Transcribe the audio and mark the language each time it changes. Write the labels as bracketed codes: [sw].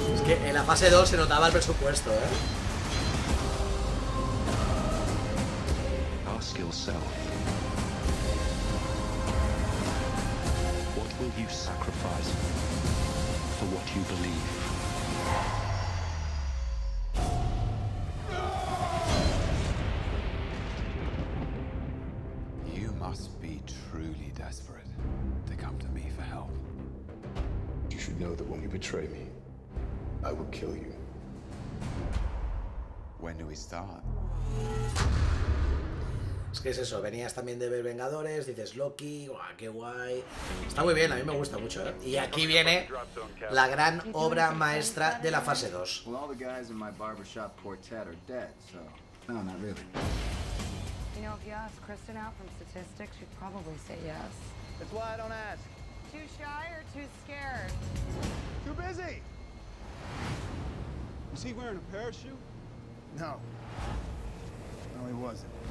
[es] Es que en la fase 2 se notaba el presupuesto, ¿eh? [en] Ask yourself, what will you sacrifice for what you believe? must be truly desperate to come to me for help. You should know that when you betray me, I will kill you. When do we start? [es] Es que es eso, venías también de ver Vengadores, dices Loki, guau, qué guay. Está muy bien, a mí me gusta mucho, ¿eh? Y aquí viene la gran obra maestra de la fase 2. [en] Well, all the guys in my barbershop quartet are dead, so... No, not really. You know, if you ask Kristen out from statistics, she'd probably say yes. That's why I don't ask. Too shy or too scared? Too busy! Was he wearing a parachute? No. No, he wasn't.